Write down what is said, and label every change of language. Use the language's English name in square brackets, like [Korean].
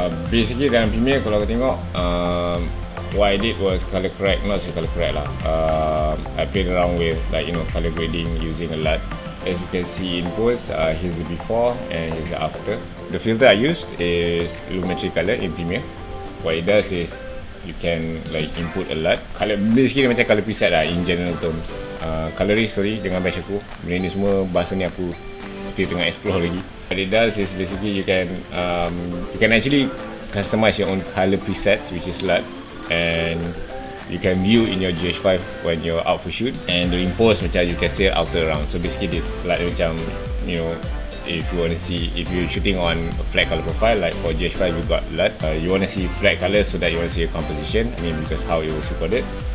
[English] Basically [Malay] dalam Premiere, kalau aku tengok, [English] what I did was color correct, not just color correct lah, I played around with like, you know, color grading using a LUT. As you can see in post, here's the before and here's the after. The filter I used is Lumetri color in Premiere. What it does is you can like input a LUT color, basically [Malay] dia macam color preset lah [English] in general terms. [Malay] Colorist, sorry, dengan batch aku, benda ni semua bahasa ni aku still tengah explore lagi. [English] What it does is basically you can actually customize your own color presets, which is LUT, and you can view in your GH5 when you're out for shoot, and during post macam you can still alter around. So basically this LUT macam, you know, if you want to see, if you're shooting on a flat color profile, like for GH5 you got LUT, you want to see flat color so that you want to see your composition, I mean, because how it was recorded.